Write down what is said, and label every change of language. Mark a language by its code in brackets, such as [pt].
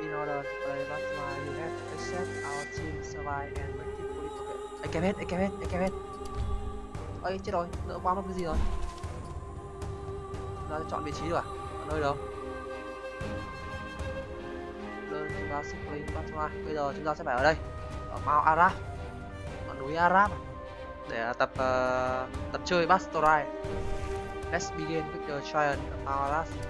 [en] In order to play Battle Royale, you have to accept our team, survive and make it fully together. I came in. [vi] Ôi, chết rồi, nỡ quá mất cái gì rồi. Chúng ta sẽ chọn vị trí được à? Ở nơi đâu? [en] Learn to basic play Battle Royale. [vi] Bây giờ chúng ta sẽ phải ở đây, ở Mount Araf, ở núi Araf, để tập tập chơi Battle Royale. [en] Let's begin with the trial of Mount Araf.